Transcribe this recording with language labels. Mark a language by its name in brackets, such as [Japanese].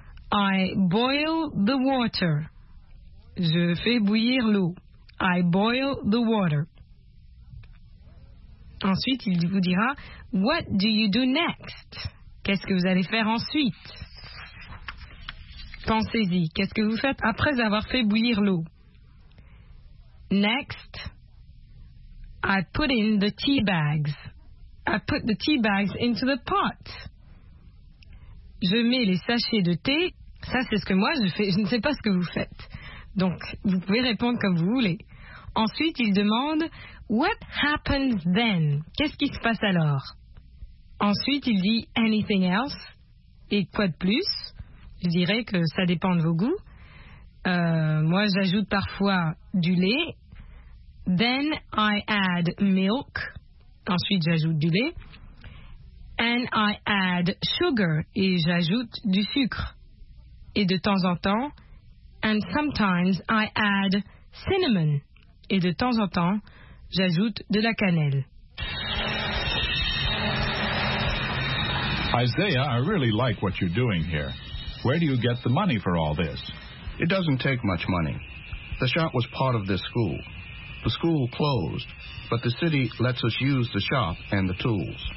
[English] I boil the water. [French] Je fais bouillir l'eau. [English] I boil the water. [French] Ensuite, il vous dira, [English] what do you do next? [French] Qu'est-ce que vous allez faire ensuite? Pensez-y, qu'est-ce que vous faites après avoir fait bouillir l'eau? [English] Next, I put in the tea bags. I put the tea bags into the pot. [French] Je mets les sachets de thé. Ça, c'est ce que moi, je fais. Je ne sais pas ce que vous faites. Donc, vous pouvez répondre comme vous voulez. Ensuite, il demande, [English] what happens then? [French] Qu'est-ce qui se passe alors? Ensuite, il dit, [English] anything else? [French] Et quoi de plus? Je dirais que ça dépend de vos goûts. Moi, j'ajoute parfois du lait. [English] Then I add milk. [French] Ensuite, j'ajoute du lait. [English] And I add sugar. [French] Et j'ajoute du sucre. Et de temps en temps, [English] and sometimes I add cinnamon. [French] Et de temps en temps, j'ajoute de la cannelle. [English] Isaiah, I really like what you're doing here. Where do you get the money for all this? It doesn't take much money. The shop was part of this school. The school closed, but the city lets us use the shop and the tools.